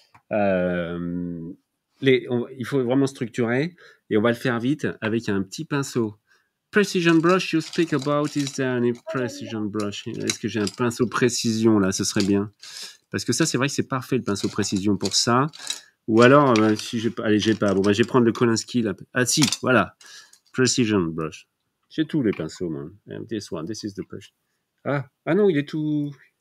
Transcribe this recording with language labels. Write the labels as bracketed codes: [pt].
[fr] Il faut vraiment structurer, et on va le faire vite avec un petit pinceau. [en] Precision brush you speak about, is there any precision brush? [fr] Est-ce que j'ai un pinceau précision, là, ce serait bien. Parce que ça, c'est vrai que c'est parfait, le pinceau précision pour ça. Ou alors, si j'ai pas... Allez, j'ai pas. Bon, bah, je vais prendre le Kolinsky, là. Ah si, voilà. Precision brush. J'ai tous les pinceaux, man. [en] And this one, this is the brush. [fr] Ah non, il est tout...